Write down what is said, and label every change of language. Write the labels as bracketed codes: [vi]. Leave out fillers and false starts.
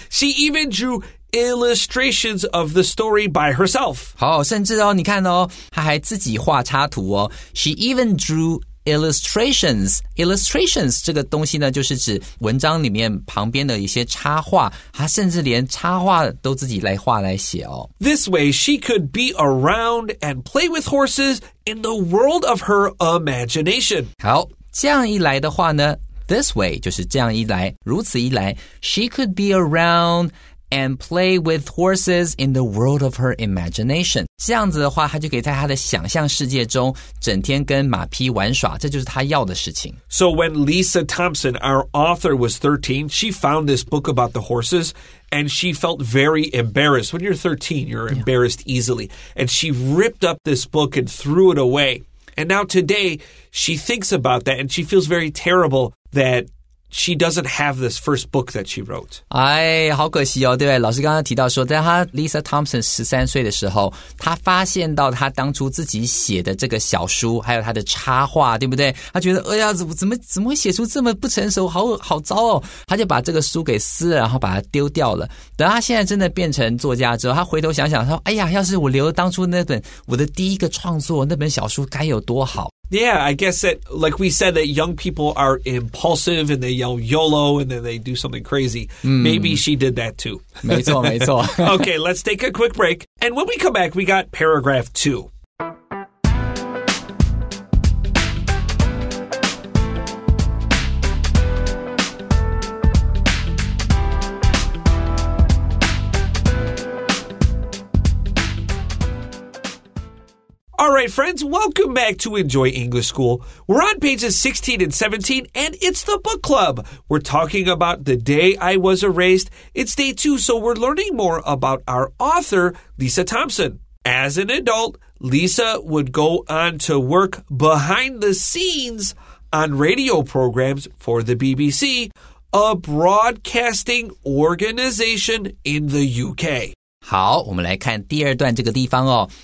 [en] She even drewillustrations of the story by herself. [zh] 好，甚至哦，你看哦，她还自己画插图哦。 [en] She even drew illustrations. Illustrations [zh] 这个东西呢，就是指文章里面旁边的一些插画。她甚至连插画都自己来画来写哦。 [en] This way, she could be around and play with horses in the world of her imagination. [zh] 好，这样一来的话呢 ， [en] this way [zh] 就是这样一来，如此一来 ， [en] she could be around. And play with horses in the world of her imagination. [zh] 这样子的话，他就可以在他的想象世界中整天跟马匹玩耍，这就是他要的事情。 [en] So when Lisa Thompson, our author, was 13, she found this book about the horses, and she felt very embarrassed. When you're 13, you're embarrassed easily. And she ripped up this book and threw it away. And now today, she thinks about that, and she feels very terrible that... She doesn't have this first book that she wrote. [zh] 哎，好可惜哦，对不对？老师刚刚提到说，在她 Lisa Thompson 13岁的时候，她发现到她当初自己写的这个小书，还有她的插画，对不对？她觉得，哎呀，怎么会写出这么不成熟，好糟哦！她就把这个书给撕了，然后把它丢掉了。等她现在真的变成作家之后，她回头想想，她说，哎呀，要是我留了当初那本我的第一个创作那本小书，该有多好！ [en] Yeah, I guess that, like we said, that young people are impulsive and they yell YOLO and then they do something crazy. Maybe she did that too. [zh] 没错没错 [en] Okay, let's take a quick break. And when we come back, we got paragraph two. All right, friends, welcome back to Enjoy English School. We're on pages 16 and 17, and it's the book club. We're talking about The Day I Was Erased. It's day two, so we're learning more about our author, Lisa Thompson. As an adult, Lisa would go on to work behind the scenes on radio programs for the BBC, a broadcasting organization in the UK. [zh] 好，我们来看第二段这个地方哦。